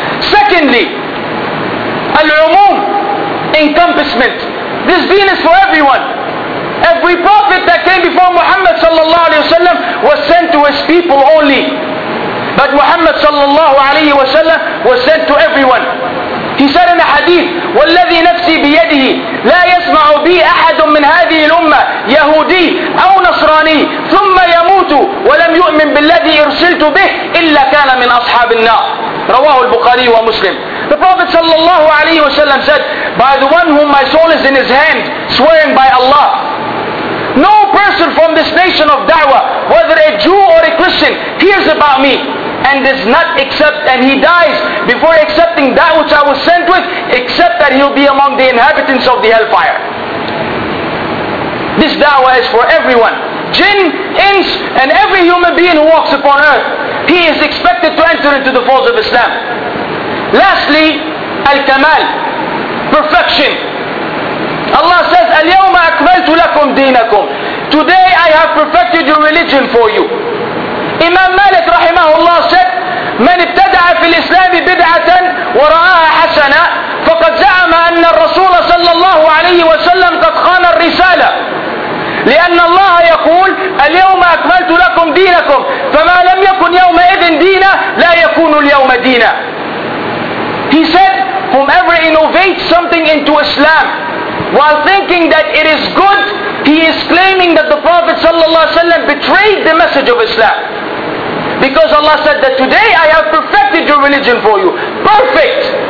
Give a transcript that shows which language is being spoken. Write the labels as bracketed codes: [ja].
[en] Secondly, al-umum, encompassment. This deen is for everyone. Every prophet that came before Muhammad sallallahu alayhi wa sallam was sent to his people only. But Muhammad sallallahu alayhi wa sallam was sent to everyone. He said in the hadith, [ar] وَالَّذِي نَفْسِي بِيَدِهِ لَا يَسْمَعُ بِي أَحَدٌ مِّنْ هَذِهِ الْأُمَّةِ يَهُودِي أَوْ نَصْرَانِي ثُمَّ يَمُوتُ وَلَمْ يُؤْمِن بِالَّذِي إِرْسِلْتُ بِهِ إِلَّا كَانَ مِنْ أَصْحَابِ النَّارِ. رواه البخاري ومسلم. [en] The Prophet sallallahu alayhi wa sallam said, by the one whom my soul is in his hand, swearing by Allah, no person from this nation of da'wah, whether a Jew or a Christian, hears about me and does not accept, and he dies before accepting that which I was sent with, except that he'll be among the inhabitants of the hellfire. This da'wah is for everyone. Jinn, ins, and every human being who walks upon earth, he is expected to enter into the folds of Islam. Lastly, al-kamal, perfection. Allah says, [ar] Al-yawma akmaltu lakum dinakum. [en] Today I have perfected your religion for you. Imam Malik rahimahullah said, [ar] من ابتدع في الإسلام بدعة ورآها حسنة فقد زعم أن الرسول صلى الله عليه وسلم قد خان الرسالة. لأن الله يقول, اليوم أكملت لكم دينكم فما لم يكن يومئذ دينا لا يكون. [en] Medina. He said, whomever innovates something into Islam while thinking that it is good, he is claiming that the Prophet ﷺ betrayed the message of Islam. Because Allah said that today I have perfected your religion for you. Perfect!